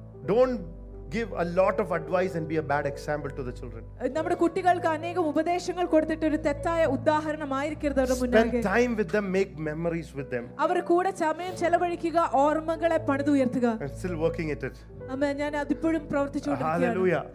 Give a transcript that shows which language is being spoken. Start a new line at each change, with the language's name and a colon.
English: Don't give a lot of advice and be a bad example to the children.
Malayalam: നമ്മുടെ കുട്ടികൾക്ക് അനേകം ഉപദേശങ്ങൾ കൊടുത്തിട്ട് ഒരു തെറ്റായ ഉദാഹരണമായിരിക്കരുത് അവരുടെ മുന്നിൽ.
English: Spend time with them, make memories with them.
Malayalam: അവരെ കൂടെ സമയം ചെലവഴിക്കുക, ഓർമ്മകളെ പണിതുയർത്തുക.
English: I'm still working at it.
Malayalam: അമ്മേ, ഞാൻ അതിപ്പോഴും പ്രവർത്തിച്ചുകൊണ്ടിരിക്കുകയാണ്.